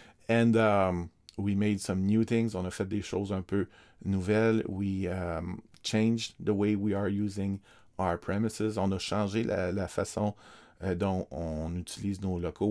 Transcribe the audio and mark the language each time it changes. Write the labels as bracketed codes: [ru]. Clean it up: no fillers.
[en] And we made some new things. [fr] On a fait des choses un peu nouvelles. [en] We changed the way we are using our premises. [fr] On a changé la façon dont on utilise nos locaux.